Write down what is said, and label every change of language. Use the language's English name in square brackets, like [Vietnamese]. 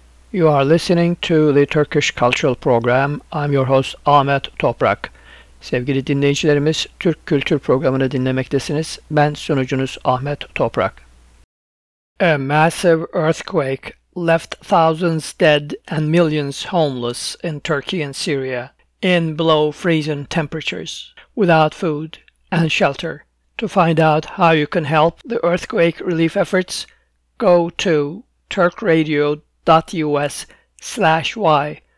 [English] You are listening to the Turkish Cultural Program. I'm your host Ahmet Toprak. [Turkish] Sevgili dinleyicilerimiz, Türk Kültür Programı'nı dinlemektesiniz. Ben sunucunuz Ahmet Toprak. [English] A massive earthquake left thousands dead and millions homeless in Turkey and Syria in below freezing temperatures, without food and shelter. To find out how you can help the earthquake relief efforts, go to turkradio.us/y.